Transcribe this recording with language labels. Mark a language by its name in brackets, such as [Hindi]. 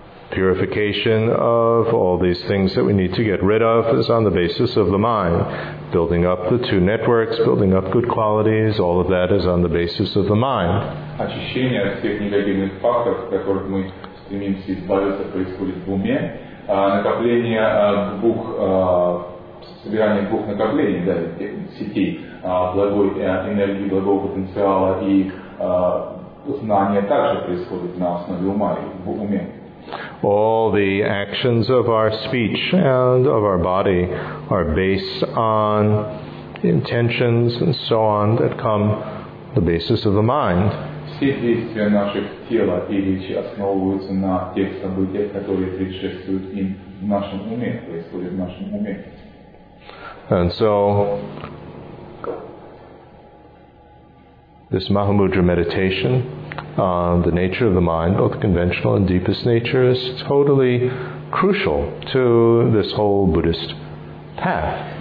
[English] Purification of all these things that we need to get rid of is on the basis of the mind. Building up the two networks, building up good qualities, all of that is on the basis of the mind. [Russian] Очищение от всех негативных факторов, которых мы стремимся избавиться, происходит в уме. Накопление двух собирание двух накоплений, да, сетей благой энергии, благого потенциала и знания также происходит на основе ума и в уме. [English] All the actions of our speech and of our body are based on intentions and so on that come the basis of the mind. [Russian] Все действия наших тела и речи основываются на тех событиях, которые предшествуют им в нашем уме, происходят в нашем уме. [English] And so, this Mahamudra meditation on the nature of the mind, both conventional and deepest nature, is totally crucial to this whole Buddhist path.